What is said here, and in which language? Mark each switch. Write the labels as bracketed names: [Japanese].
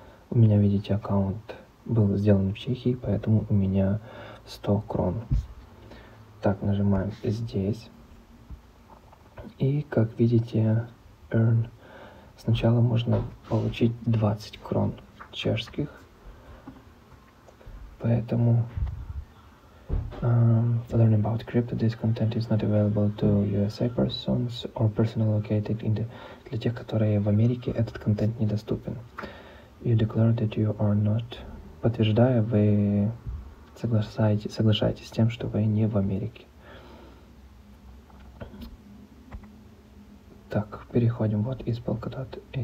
[Russian] У меня, видите, аккаунт был сделан в Чехии, поэтому у меня 100 крон. Так, нажимаем здесь. И, как видите, Earn. Сначала можно получить 20 крон чешских. Поэтому... [English] learning about crypto, this content is not available to USA persons or persons located in the... [Russian] Для тех, которые в Америке, этот контент недоступен. [English] You declare that you are not... [Russian] Подтверждая, вы соглашаетесь с тем, что вы не в Америке. Так, переходим вот из Polkadot.